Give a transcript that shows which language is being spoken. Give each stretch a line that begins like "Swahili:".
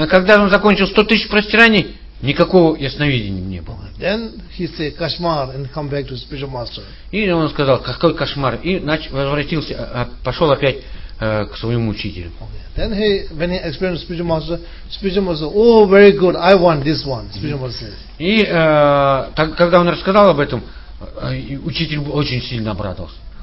Russian: Когда он закончил 100,000 простираний, никакого ясновидения не было.
English: Then he said, "Кошмар," and come back to spiritual master.
Russian: И он сказал, какой кошмар, и возвратился, пошел опять к своему учителю.
English: Okay. Then he, when he experienced spiritual master, "Oh, very good, I want this one." Spiritual master.
Russian: И когда он рассказал об этом, учитель очень сильно обрадовался.